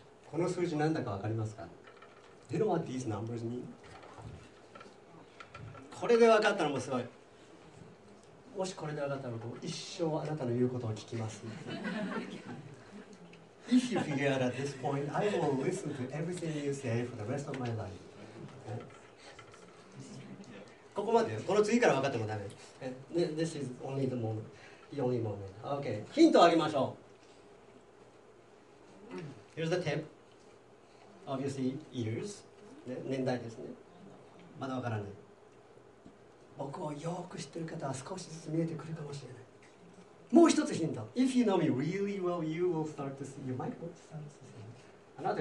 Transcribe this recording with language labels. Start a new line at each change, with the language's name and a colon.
Japanese: この数字なんだかわかりますか？
English: You know what these numbers mean?
Japanese: これでわかったのもすごい。もしこれでわかったら一生あなたの言うことを聞きます。
English: If you figure out at this point, I will listen to everything you say for the rest of my life.
Japanese: ここまでです。この次からわかってもダメ。
English: This is only the moment. The only moment. Okay.
Japanese: ヒントをあげましょう。
English: Here's the tip. Obviously, years.
Japanese: 年代ですね。まだわからない。僕をよく知ってる方は少しずつ見えてくるかもしれない。もう一つヒント。
English: If you know me really well, you will start to see. You might want to start to see.